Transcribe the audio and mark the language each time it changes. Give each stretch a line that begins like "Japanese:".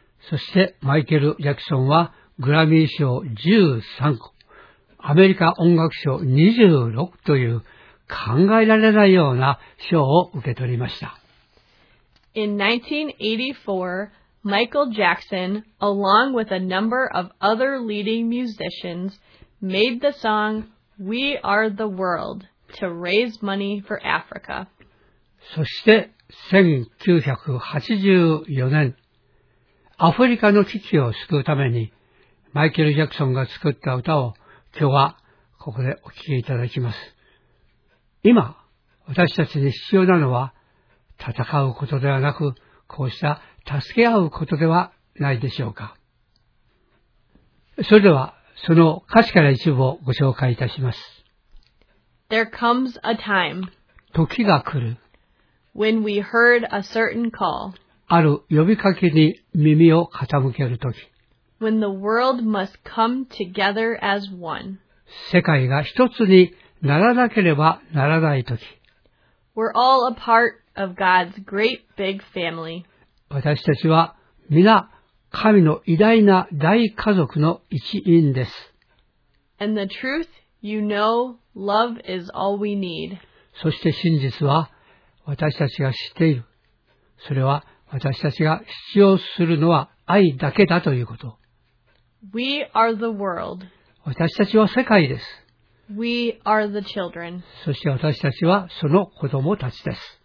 Japanese: そしてマイケル・ジャクソンはグラミー賞13個、アメリカ音楽賞26という考えられないような賞を受け取りました。
English: In 1984, Michael Jackson, along with a number of other leading musicians, made the song We Are the World to raise money for Africa.
Japanese: そして1984年、アフリカの危機を救うためにマイケル・ジャクソンが作った歌を今日はここでお聴きいただきます。今、私たちに必要なのは戦うことではなく、こうした助け合うことではないでしょうか。それでは、その歌詞から一部をご紹介いたします。
English: There comes a time.
Japanese: 時が来る。
English: When we heard a certain call.
Japanese: ある呼びかけに耳を傾けるとき。
English: When the world must come together as one.
Japanese: 世界が一つにならなければならないとき。
English: We're all a part of God's great big family.
Japanese: 私たちは皆神の偉大な大家族の一員です。
English: And the truth, you know, love is all we need.
Japanese: そして真実は私たちが知っている。それは私たちが必要するのは愛だけだということ。
English: We are the world.
Japanese: 私たちは世界です。
English: We are the children.
Japanese: そして私たちはその子供たちです。